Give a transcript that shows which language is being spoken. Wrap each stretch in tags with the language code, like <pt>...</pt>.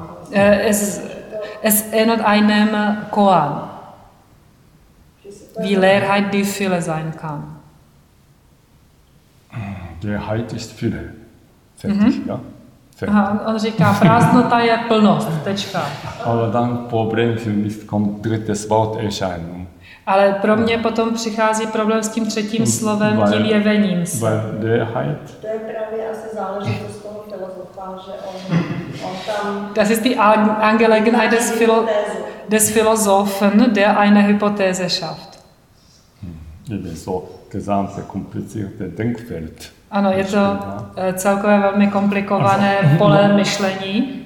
<de>Es erinnert einem Koan, wie Leerheit die Fülle sein kann. Leerheit ist Fülle. Fertig, mhm.</de> <cs>Ja? On říká, prázdnota je plnost, tečka.</cs> <de>Ale dann problem für mich kommt drittes Wort erscheinen.</de> <cs>Ale pro mě potom přichází problém s tím třetím slovem, tím jevením</cs> <de>se. Weil Leerheit?</de> <cs>To je právě asi záležitost toho filozofa, že on</cs> <de>tam... Das ist die Angelegenheit des Philosophen, der eine Hypothese schafft. Eben so, gesamte komplizierte Denkfeld.</de> <cs>Ano, je to celkově velmi komplikované pole myšlení.</cs>